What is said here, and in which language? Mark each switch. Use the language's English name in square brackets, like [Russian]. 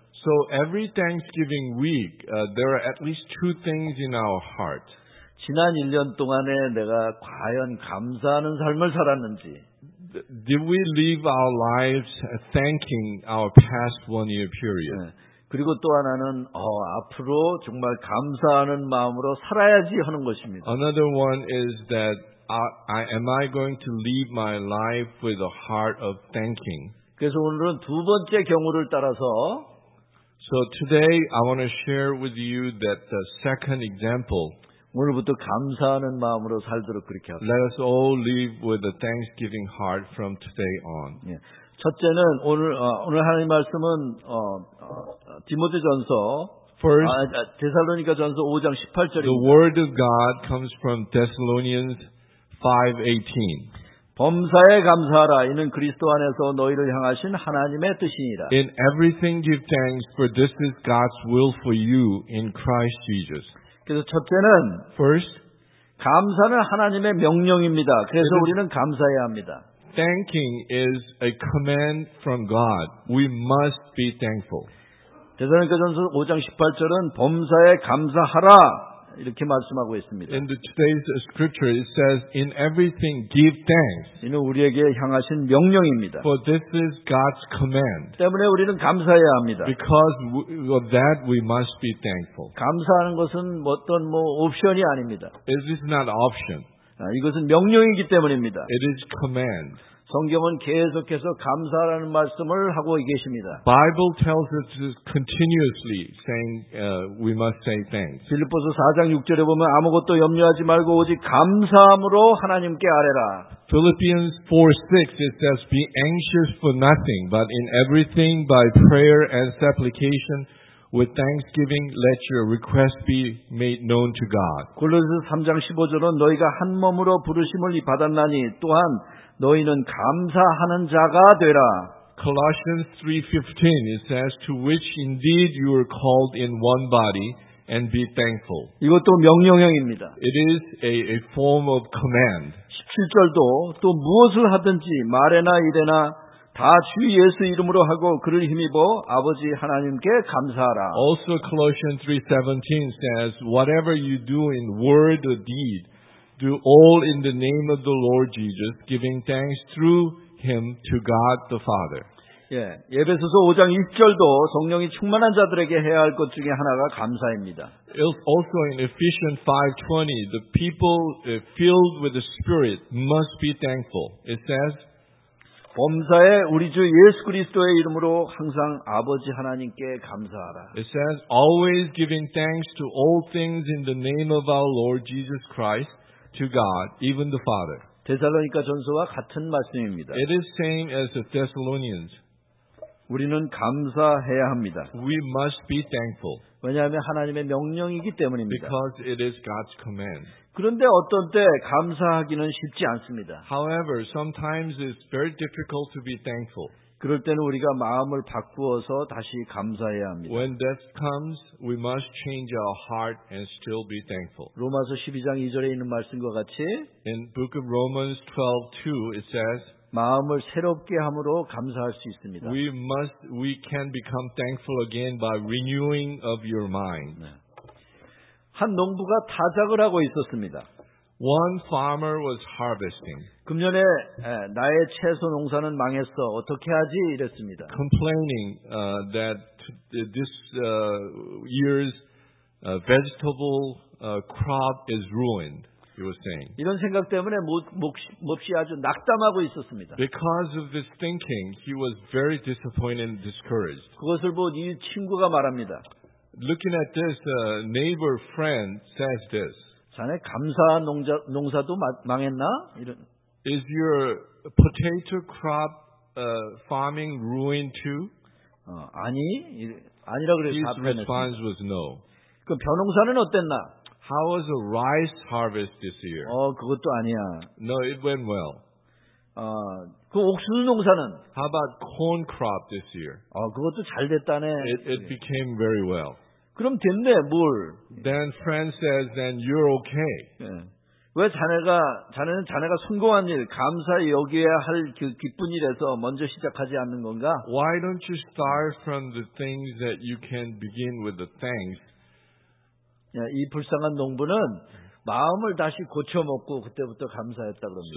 [English] So every Thanksgiving week, there are at least two things in our heart. [Korean] 지난 1년 동안에 내가 과연 감사하는 삶을 살았는지. [English] Did we live our lives thanking our past one-year period? [Korean] 네. 그리고 또 하나는 앞으로 정말 감사하는 마음으로 살아야지 하는 것입니다. [English] Another one is that am I going to live my life with a heart of thanking? [Korean] 그래서 오늘은 두 번째 경우를 따라서 [English] So today I want to share with you that the second example [Korean] 오늘부터 감사하는 마음으로 살도록 그렇게 합니다. [English] Let us all live with a thanksgiving heart from today on. [Korean] 예. 첫째는 오늘 하나님 말씀은 디모데전서 데살로니가 전서 5장 18절입니다. [English] The word of God comes from Thessalonians 5:18. [Korean] 범사에 감사하라 이는 그리스도 안에서 너희를 향하신 하나님의 뜻이니라. [English] In everything give thanks for this is God's will for you in Christ Jesus. [Korean] 그래서 첫째는 [English] First, [Korean] 감사는 하나님의 명령입니다. 그래서 우리는 감사해야 합니다. [English] Thanking is a command from God. We must be thankful. [Korean] 데살로니가전서 5장 18절은 범사에 감사하라 이렇게 말씀하고 있습니다. [English] In today's scripture, it says, "In everything, give thanks." [Korean] 이는 우리에게 향하신 명령입니다. [English] For this is God's command. [Korean] 때문에 우리는 감사해야 합니다. [English] Because of that, we must be thankful. [Korean] 감사하는 것은 어떤 옵션이 아닙니다. [English] It is not option. [Korean] 이것은 명령이기 때문입니다. [English] It is command. [Korean] 성경은 계속해서 감사라는 말씀을 하고 계십니다. [English] Bible tells us continuously saying we must say thanks. [Korean] 빌립보서 4장 6절에 보면 아무것도 염려하지 말고 오직 감사함으로 하나님께 아뢰라. [English] Philippians 4:6 it says be anxious for nothing but in everything by prayer and supplication With thanksgiving, let your request be made known to God. [Korean] 골로새서 3장 15절은 너희가 한 몸으로 부르심을 받았나니 또한 너희는 감사하는 자가 되라. [English] Colossians 3:15 it says, To which indeed you are called in one body, and be thankful. [Korean] 이것도 명령형입니다. [English] It is a form of command. [Korean] 17절도 또 무엇을 하든지 말해나 이래나 다 주 예수 이름으로 하고 그를 힘입어 아버지 하나님께 감사하라. [English] Also Colossians 3:17 says, Whatever you do in word or deed, do all in the name of the Lord Jesus, giving thanks through him to God the Father. [Korean] 예, 에베소서 5장 1절도 성령이 충만한 자들에게 해야 할 것 중에 하나가 감사입니다. [English] Also in Ephesians 5:20, the people filled with the Spirit must be thankful. It says, [Korean] 범사에 우리 주 예수 그리스도의 이름으로 항상 아버지 하나님께 감사하라. [English] It says, always giving thanks to all things in the name of our Lord Jesus Christ to God, even the Father. [Korean] 데살로니가 전서와 같은 말씀입니다. [English] It is same as the Thessalonians. [Korean] 우리는 감사해야 합니다. [English] We must be thankful. [Korean] 왜냐하면 하나님의 명령이기 때문입니다. [English] Because it is God's command. [Korean] 그런데 어떤 때 감사하기는 쉽지 않습니다. [English] However, sometimes it's very difficult to be thankful. [Korean] 그럴 때는 우리가 마음을 바꾸어서 다시 감사해야 합니다. [English] When death comes, we must change our heart and still be thankful. [Korean] 로마서 12장 2절에 있는 말씀과 같이 [English] In book of Romans 12:2 it says [Korean] 마음을 새롭게 함으로 감사할 수 있습니다. [English] We can become thankful again by renewing of your mind. [Korean] 한 농부가 타작을 하고 있었습니다. [English] One farmer was harvesting. [Korean] 금년에 나의 채소 농사는 망했어. 어떻게 하지? 이랬습니다. [English] Complaining that this year's vegetable crop is ruined. He was saying. [Korean] 이런 생각 때문에 몹시 아주 낙담하고 있었습니다. [English] Because of this thinking, he was very disappointed and discouraged. [Korean] 그것을 본 이 친구가 말합니다. [English] Looking at this, a neighbor friend says this. [Korean] 자네 감사한 농사도 망했나? 이런. [English] Is your potato crop farming ruined too? [Korean] 아니, 아니라 그랬어요. [English] His response was no. [Korean] 그럼 벼농사는 어땠나? [English] How was the rice harvest this year? [Korean] 그것도 아니야. [English] No, it went well. [Korean] 그 옥수수 농사는? [English] How about corn crop this year? [Korean] 그것도 잘 됐다네. [English] It became very well. [Korean] 그럼 됐네, 뭘. [English] Then friend says, then you're okay. [Korean] 네. 왜 자네가 성공한 일, 감사 여기에 할 그 기쁜 일에서 먼저 시작하지 않는 건가? [English] Why don't you start from the things that you can begin with the thanks? [Korean] 이 불쌍한 농부는 마음을 다시 고쳐 먹고 그때부터 감사했다고 합니다.